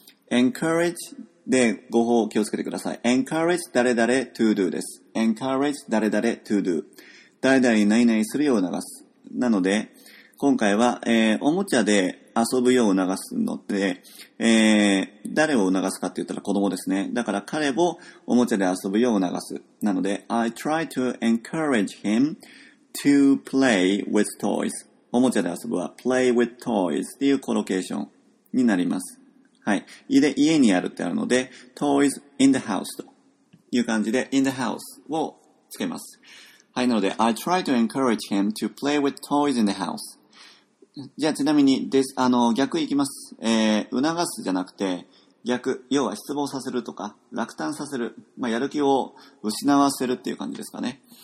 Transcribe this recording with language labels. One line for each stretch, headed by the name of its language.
Japanese: encourage で語法を気をつけてください。encourage 誰々 to do です。 encourage 誰々 to do。代々に何々するよう促す。なので、今回は、おもちゃで遊ぶよう促すので、誰を促すかって言ったら子供ですね。だから彼をおもちゃで遊ぶよう促す。なので、
English: I try to encourage him to play with toys。
Japanese: おもちゃで遊ぶは
English: play with toys
Japanese: っていうコロケーションになります。はい。で、家にあるってあるので、
English: toys in the house
Japanese: という感じで、in the house をつけます。はい。なので、
English: I try to encourage him to play with toys in the house。
Japanese: じゃあ、ちなみに、です、逆いきます。促すじゃなくて、逆、要は失望させるとか、落胆させる、まあ、やる気を失わせるっていう感じですかね。